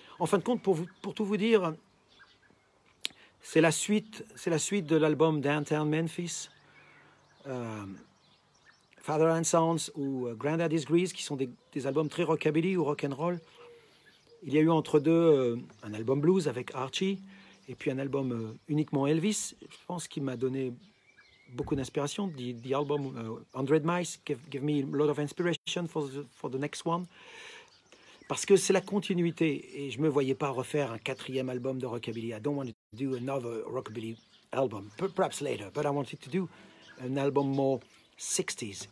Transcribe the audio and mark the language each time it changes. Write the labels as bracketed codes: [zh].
[fr] En fin de compte, pour tout vous dire, c'est la suite de l'album Downtown Memphis, Father and Sons ou Granddaddy's Grease, qui sont des albums très rockabilly ou rock'n'roll. Il y a eu entre deux un album blues avec Archie et puis un album uniquement Elvis. Je pense qu'il m'a donné beaucoup d'inspiration. [en] The album 100 Mice gave me a lot of inspiration for the next one. [fr] Parce que c'est la continuité et je ne me voyais pas refaire un quatrième album de rockabilly. [en] I don't want to do another rockabilly album, perhaps later, but I wanted to do an album more 60s.